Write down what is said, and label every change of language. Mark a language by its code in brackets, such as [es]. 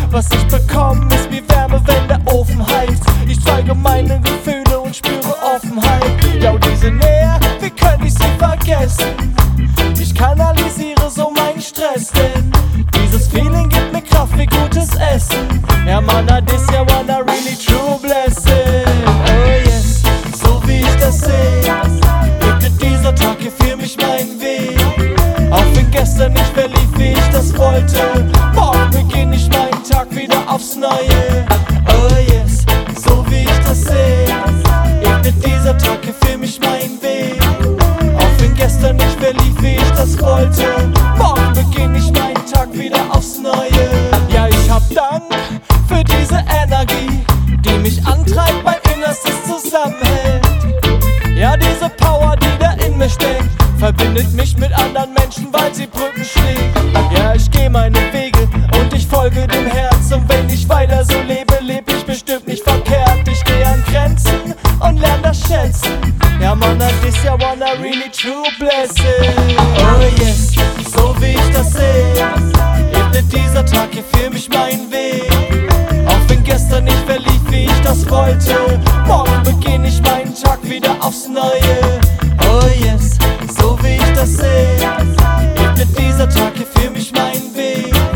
[de] Was ich bekomm, ist wie Wärme, wenn der Ofen heizt. Ich zeige meine Gefühle und spüre Offenheit. Ja, und diese Nähe, wie könnte ich sie vergessen? Ich kanalisiere so meinen Stress, denn dieses Feeling gibt mir Kraft wie gutes Essen. [en] Ja, man, that is ja one a really true blessing. Oh yes, [de] so wie ich das sehe, gibt dieser Tag hier für mich meinen Weg. Auch wenn gestern nicht mehr lief, wie ich das wollte, morgen beginn ich meinen Tag wieder aufs Neue. [en] Oh yes, [de] so wie ich das sehe, gibt dieser Tag hier für mich meinen Weg. Auch wenn gestern nicht mehr lief, wie ich das wollte, morgen beginn ich meinen Tag wieder aufs Neue. Ja, ich hab Dank für diese Energie, die mich antreibt, mein Innerstes zusammenhält. Ja, diese Power, die da in mir steckt, verbindet mich mit anderen Menschen, weil sie Brücken schlägt. Ja, ich geh meine Wege und ich folge dem Herz. Und wenn ich weiter so lebe, leb ich bestimmt nicht verkehrt. Ich geh an Grenzen und lern das schätzen. [en] Ja, man, that is ja one a really true blessing. Oh yes, [de] so wie ich das seh, ebnet dieser Tag hier für mich meinen Weg. Auch wenn gestern nicht mehr lief, wie ich das wollte, morgen beginn ich meinen Tag wieder aufs Neue. [en] Oh yes, [de] so wie ich das seh, ebnet dieser Tag hier für mich meinen Weg.